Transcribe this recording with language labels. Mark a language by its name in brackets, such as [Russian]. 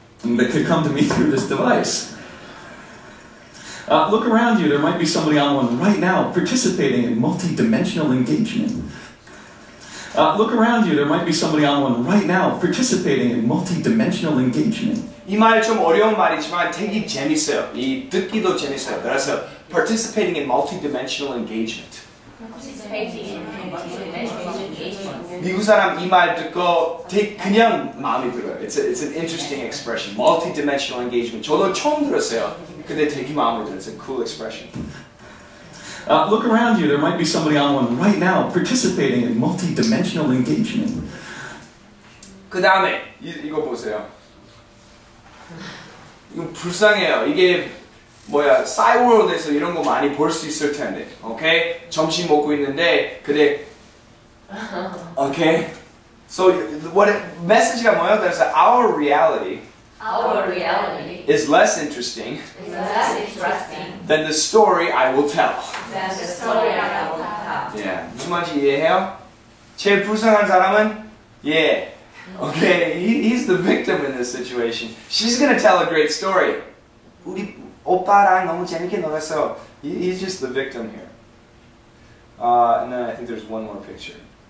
[English] That could come to me through this device. Look around you, there might be somebody on one right now participating in multi-dimensional engagement. Look around you, there might be somebody on one right now participating in multi-dimensional engagement. [Korean] 이 말 좀 어려운 말이지만 되게 재밌어요. 이 듣기도 재밌어요. 그래서 [English] participating in multi-dimensional engagement. Participating in multi-dimensional engagement. [Korean] 미국 사람 이 말 듣고 되게 그냥 마음이 들어요. [English] It's an interesting expression. Multi-dimensional engagement. [Korean] 저도 처음 들었어요. 근데 되게 마음이 들어요. [English] It's a cool expression. Look around you, there might be somebody on one right now participating in multi-dimensional engagement. [Korean] 그 다음에 이거 보세요. 이거 불쌍해요. 이게 뭐야, 사이월드에서 이런 거 많이 볼 수 있을 텐데. 오케이? 점심 먹고 있는데 그래. 오케이? [English] So what message가 [Korean] 뭐예요? [English] There's our reality. Our reality is less interesting, less interesting than the story I will tell. Than the story I will tell. [Korean] Yeah. 무슨 말인지 이해해요? 제일 불쌍한 사람은? Yeah. Okay. [English] He's the victim in this situation. She's going to tell a great story. [Korean] 우리 오빠랑 너무 재밌게 놀았어. [English] He's just the victim here. And then I think there's one more picture.